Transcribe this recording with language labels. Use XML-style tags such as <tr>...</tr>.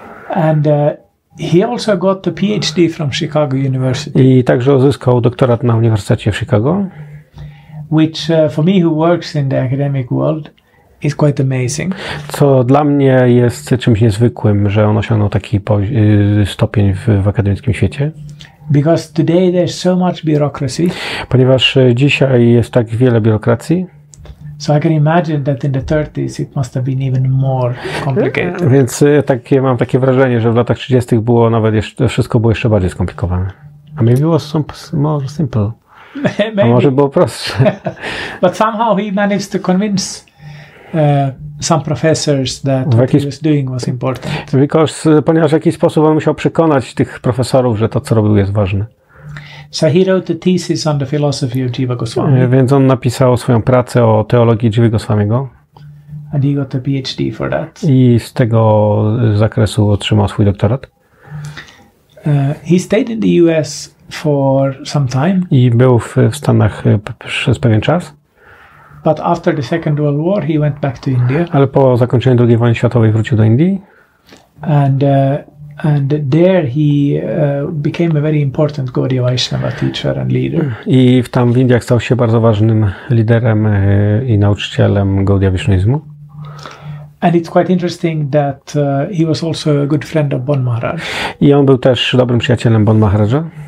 <en>And he also got a PhD from Chicago University.</en> <pl>I także uzyskał doktorat na Uniwersytecie w Chicago.</pl> <en>Which for me who works in the academic world is quite amazing.</en> <pl>Co dla mnie jest czymś niezwykłym, że on osiągnął taki stopień w akademickim świecie.</pl> <en>Because today there's so much bureaucracy.</en> <pl>Ponieważ dzisiaj jest tak wiele biurokracji.</pl> <en>So I can imagine that in the 30s it must have been even more complicated.</en> <pl>Więc takie mam takie wrażenie, że w latach 30 było nawet jeszcze wszystko było jeszcze bardziej skomplikowane.</pl> <en>A maybe it was more simple. Maybe.</en> <pl>A może było prostsze.</pl> <en>But somehow he managed to convince some professors that what he was doing was important.</en> <pl>Ponieważ w jakiś sposób on musiał przekonać tych profesorów, że to co robił jest ważne.</pl> <en>So he wrote the thesis on the philosophy of Jiva Goswami.</en> <pl>Więc on napisał swoją pracę o teologii Jivy Goswamiego.</pl> <en>And he got a PhD for that.</en> <pl>I z tego zakresu otrzymał swój doktorat.</pl> <en>He stayed in the US for some time.</en> <pl>I był w Stanach przez pewien czas.</pl> <en>But after the Second World War, he went back to India.</en> <pl>Ale po zakończeniu II wojny światowej wrócił do Indii.</pl> <en>And there he became a very important Gaudiya Vaishnava teacher and leader.</en> <pl>I tam w Indiach stał się bardzo ważnym liderem i nauczycielem Gaudiya Vaishnavizmu.</pl> <en>And it's quite interesting that he was also a good friend of Bon Maharaj.</en> <pl>I on był też dobrym przyjacielem Bon Maharaja.</pl>